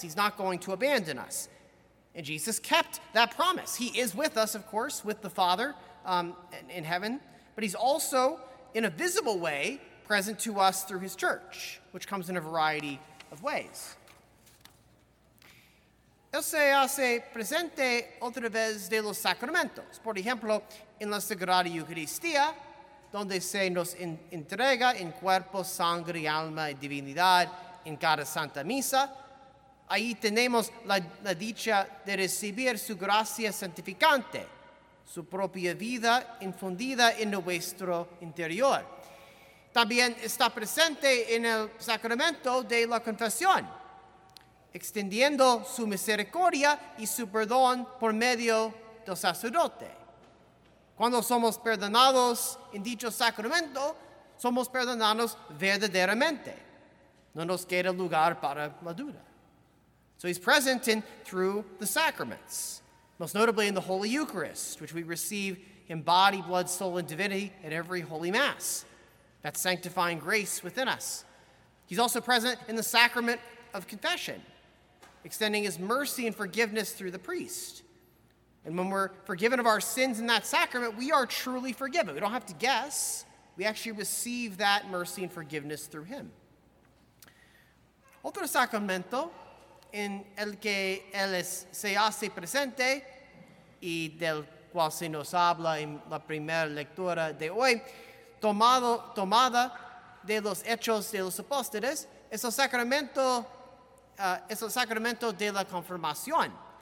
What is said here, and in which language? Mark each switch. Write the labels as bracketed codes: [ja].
[en] He's not going to abandon us. And Jesus kept that promise. He is with us, of course, with the Father in heaven. But he's also, in a visible way, present to us through his church, which comes in a variety of ways. [es] Él se hace presente otra vez de los sacramentos. Por ejemplo, en la Sagrada Eucaristía, donde se nos entrega en cuerpo, sangre, alma y divinidad en cada Santa Misa, ahí tenemos la dicha de recibir su gracia santificante, su propia vida infundida en nuestro interior. También está presente en el sacramento de la confesión, extendiendo su misericordia y su perdón por medio del sacerdote. Cuando somos perdonados en dicho sacramento, somos perdonados verdaderamente. No nos queda lugar para la duda. [en] So he's present in through the sacraments, most notably in the Holy Eucharist, which we receive in body, blood, soul, and divinity at every Holy Mass, that sanctifying grace within us. He's also present in the sacrament of confession, extending his mercy and forgiveness through the priest. And when we're forgiven of our sins in that sacrament, we are truly forgiven. We don't have to guess. We actually receive that mercy and forgiveness through him. [es] Otro sacramento en el que él se hace presente y del cual se nos habla en la primera lectura de hoy, tomada de los hechos de los apóstoles, es el sacramento de la confirmación.